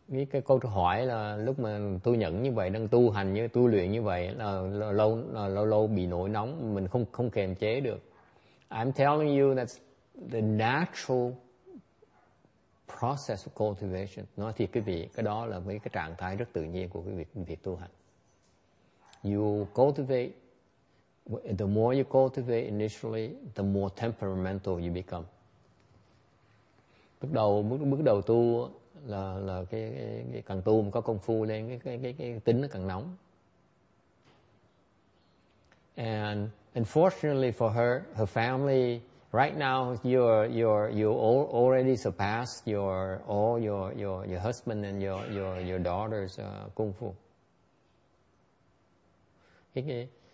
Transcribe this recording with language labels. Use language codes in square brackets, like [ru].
[vi] Cái câu hỏi là lúc mà tu nhận như vậy, đang tu hành như tu luyện như vậy, là lâu bị nổi nóng, mình không kềm chế được. [en] I'm telling you that the natural process of cultivation. [vi] Nói thiệt quý vị, cái đó là mấy cái trạng thái rất tự nhiên của cái việc tu hành. [en] You cultivate. The more you cultivate initially, the more temperamental you become. [vi] Bước đầu tu là cái càng tu mà có công phu lên, cái tính nó càng nóng. [en] And unfortunately for her family right now, you're already surpassed your husband and your daughter's kung fu. Okay.